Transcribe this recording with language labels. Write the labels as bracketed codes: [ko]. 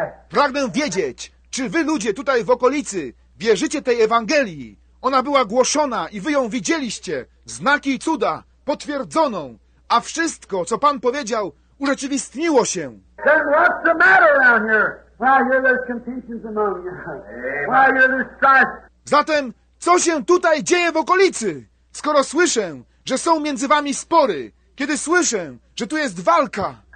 [pl] Pragnę wiedzieć, czy wy ludzie tutaj w okolicy wierzycie tej Ewangelii. Ona była głoszona i wy ją widzieliście, znaki i cuda, potwierdzoną, a wszystko, co Pan powiedział, urzeczywistniło się. [en] Then what's the matter around here? Why here there's confusions among you? Why here there's strife? [pl] Zatem, co się tutaj dzieje w okolicy? Skoro słyszę, że są między wami spory, kiedy słyszę, że tu jest walka.